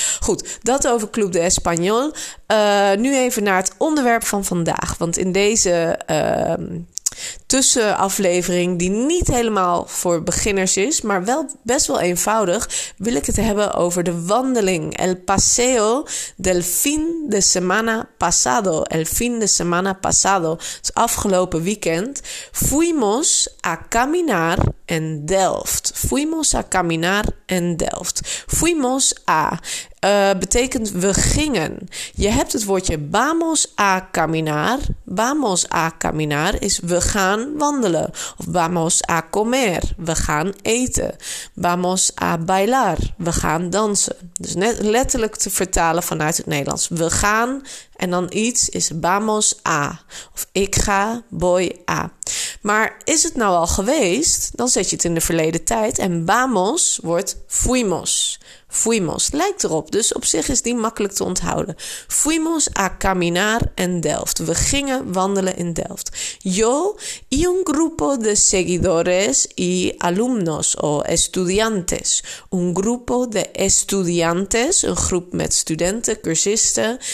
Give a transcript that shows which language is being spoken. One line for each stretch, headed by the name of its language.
Dutch: Goed, dat over Club de Español. Nu even naar het onderwerp van vandaag. Want in deze tussenaflevering, die niet helemaal voor beginners is, maar wel best wel eenvoudig, wil ik het hebben over de wandeling.
Spanish: El paseo del fin de semana pasado. El fin de semana pasado.
Dutch: Dus afgelopen weekend.
Spanish: Fuimos a caminar en Delft. Fuimos a caminar en Delft. Fuimos a
Dutch: betekent we gingen. Je hebt het woordje
Spanish: vamos a caminar. Vamos a caminar
Dutch: is we gaan wandelen. Of
Spanish: vamos a comer.
Dutch: We gaan eten.
Spanish: Vamos a bailar.
Dutch: We gaan dansen. Dus net letterlijk te vertalen vanuit het Nederlands. We gaan en dan iets is
Spanish: vamos a.
Dutch: Of ik ga,
Spanish: voy a.
Dutch: Maar is het nou al geweest, dan zet je het in de verleden tijd. En vamos wordt fuimos. Fuimos, lijkt erop. Dus op zich is die makkelijk te onthouden.
Spanish: Fuimos a caminar en Delft.
Dutch: We gingen wandelen in Delft.
Spanish: Yo y un grupo de seguidores y alumnos o estudiantes. Un grupo de estudiantes,
Dutch: een groep met studenten, cursisten.